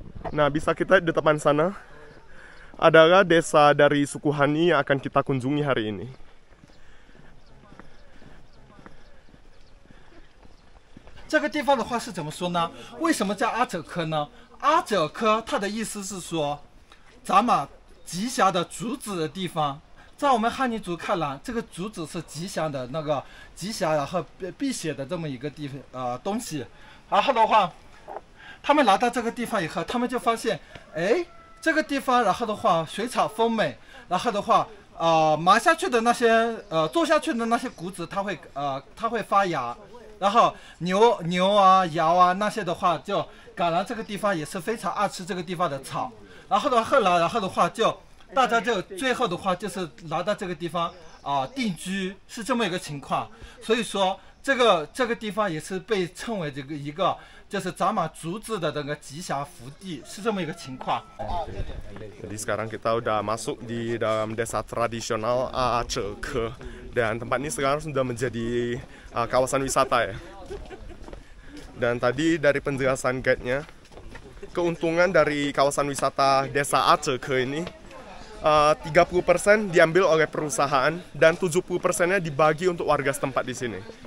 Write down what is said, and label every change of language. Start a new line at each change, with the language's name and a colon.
Indonesian: Nah, bisa kita di depan sana adalah desa dari suku Hani yang akan kita kunjungi hari ini. Ini tempat apa sih? Kenapa disebut Azerke? Azerke, artinya adalah tempat yang beruntung.
Chinese: 在我们汉尼族看来，这个竹子是吉祥的那个吉祥，然后辟邪的这么一个地方东西。然后的话，他们来到这个地方以后，他们就发现，哎，这个地方，然后的话水草丰美，然后的话埋下去的那些坐下去的那些谷子，它会发芽，然后牛啊羊啊那些的话就赶来这个地方，也是非常爱吃这个地方的草。然后的后来，然后的话就。大家就最后的话就是来到这个地方定居，是这么一个情况。所以说这个地方也是被称为这个一个就是长满竹子的那个吉祥福地，是这么一个情况。
Indonesian: Jadi sekarang kita sudah masuk di dalam desa tradisional Acheke, dan tempat ini sekarang sudah menjadi kawasan wisata ya. Dan tadi dari penjelasan guide-nya, keuntungan dari kawasan wisata desa Acheke ini 30% diambil oleh perusahaan dan 70%-nya dibagi untuk warga setempat di sini.